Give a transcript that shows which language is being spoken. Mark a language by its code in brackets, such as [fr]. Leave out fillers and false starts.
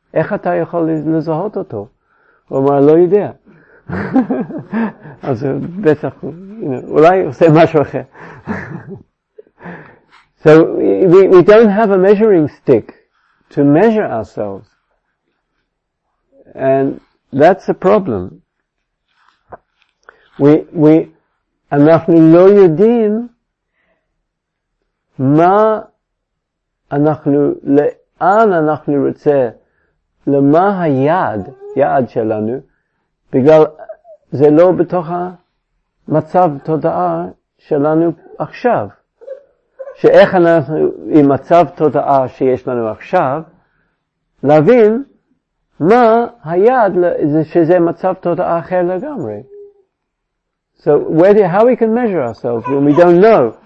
[he] איך אתה יכול לזהות אותו? הוא אומר, לא יודע. אז בטח, אולי עושה משהו אחר. [en] So we don't have a measuring stick to measure ourselves. And that's the problem. We [he] אנחנו לא יודעים מה אנחנו, לאן אנחנו רוצה, למה היעד, יעד שלנו, בגלל זה לא בתוך המצב תודעה שלנו עכשיו. שאיך אנחנו עם מצב תודעה שיש לנו עכשיו, להבין מה היעד שזה מצב תודעה אחר לגמרי. [en] So how we can measure ourselves when we don't know?